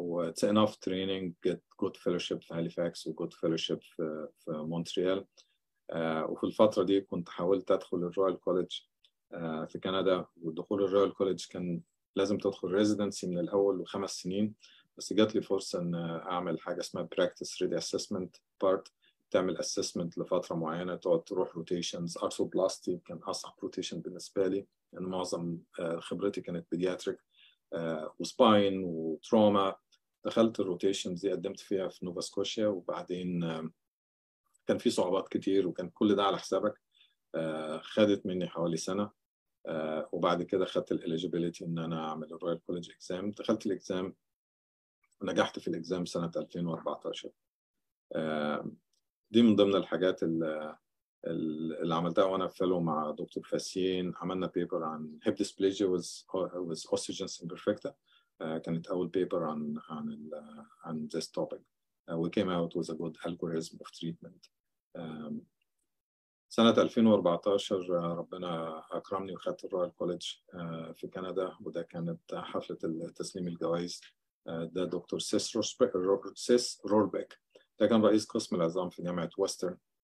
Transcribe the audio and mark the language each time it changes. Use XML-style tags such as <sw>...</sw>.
<en>It's enough training, get good fellowship في Halifax و good fellowship في Montreal.</en> <ar>وفي الفترة دي كنت حاولت أدخل الرويال كوليدج في كندا، والدخول الرويال كوليدج كان لازم تدخل residency من الأول و5 سنين، بس جات لي فرصة أن أعمل حاجة اسمها</ar> <en>practice ready assessment part،</en> <ar>تعمل assessment لفترة معينة، تقعد تروح rotations. Arthroplasty كان أصعب rotation بالنسبة لي، لأن يعني معظم خبرتي كانت pediatric. وسباين وتروما. دخلت الروتيشن دي قدمت فيها في نوفا سكوشيا، وبعدين كان في صعوبات كتير وكان كل ده على حسابك. خدت مني حوالي سنة، وبعد كده خدت الإليجيبيليتي إن أنا أعمل الرويال كوليج إكزام. دخلت الإكزام، نجحت في الإكزام سنة 2014. دي من ضمن الحاجات اللي عملتها وأنا فلو مع دكتور فاسين. عملنا بيبر عن هيب ديسبليجيا وز أوستيجنس إمبرفكتا، كانت أول بيبر عن</ar> <en>this topic. We came out with a good algorithm of treatment.</en> <ar>سنة 2014 ربنا أكرمني وخدت الرويال كوليدج في كندا، وده كانت حفلة تسليم الجوائز. ده دكتور سيس روربيك، ده كان رئيس قسم العظام في جامعة ويسترن.</ar>